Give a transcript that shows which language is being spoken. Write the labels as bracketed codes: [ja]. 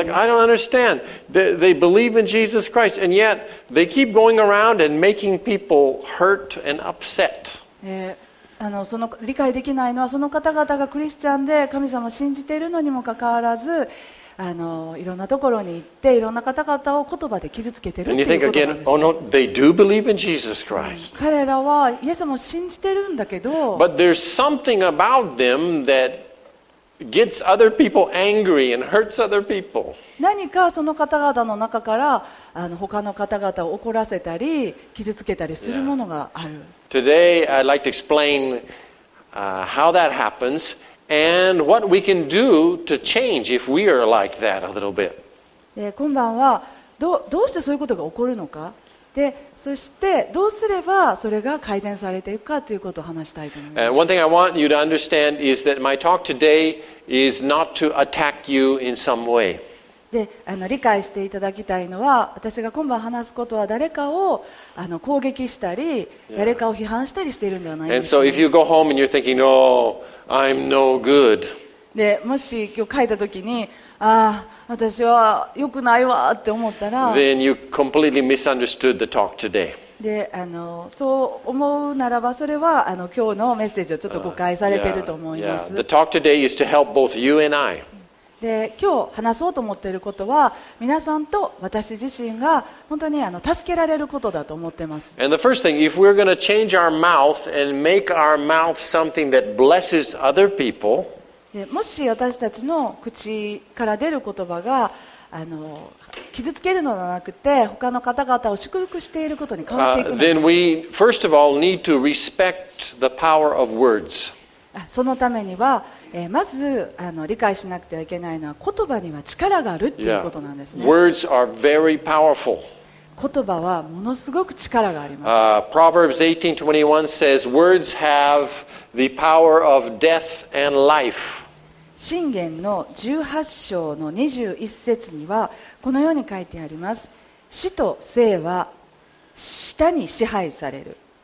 [en] It's like I don't understand. They believe in Jesus Christ and yet they keep going around and making people hurt and upset. [ja] その理解できないのはその方々がクリスチャンで神様を信じているのにもかかわらずいろんなところに行っていろんな方々を言葉で傷つけているということなんですね。 [en] Oh, no, they do believe in Jesus Christ. [ja] 彼らはイエス様を信じているんだけど、 [en] But there's something about them that gets other people angry and hurts other people. [ja] 何かその方々の中から他の方々を怒らせたり傷つけたりするものがある。 [en] Yeah. Today I'd like to explain how that happens and what we can do to change if we are like that a little bit. [ja] 今晩はどうしてそういうことが起こるのか、でそしてどうすればそれが改善されていくかということを話したいと思います。 [en] One thing I want you to understand is that my talk today is not to attack you in some way. [ja] で理解していただきたいのは、私が今晩話すことは誰かを攻撃したり、yeah. 誰かを批判したりしているんではないですか。 [en] And so if you go home and you're thinking, no, I'm no good. [ja] でもし今日書いたときに、私は良くないわって思ったら、 [en] Then you completely misunderstood the talk today. [ja] で、そう思うならば、それは今日のメッセージをちょっと誤解されていると思います。 [en] The talk today is to help both you and I. [ja] で今日話そうと思っていることは皆さんと私自身が本当に助けられることだと思っています。 [en] And the first thing, if we're going to change our mouth and make our mouth something that blesses other people, [ja] でもし私たちの口から出る言葉が傷つけるのではなくて他の方々を祝福していることに変わっていくのか、 [en] then we first of all need to respect the power of words. [ja] そのためにはまず理解しなくてはいけないのは言葉には力があるということなんですね。 [en] Words are very powerful. [ja] 言葉はものすごく力があります。 [en] Proverbs 18:21 says, "Words have the power of death and life." [ja] 箴言の18章の21節にはこのように書いてあります。死と生は舌に支配される。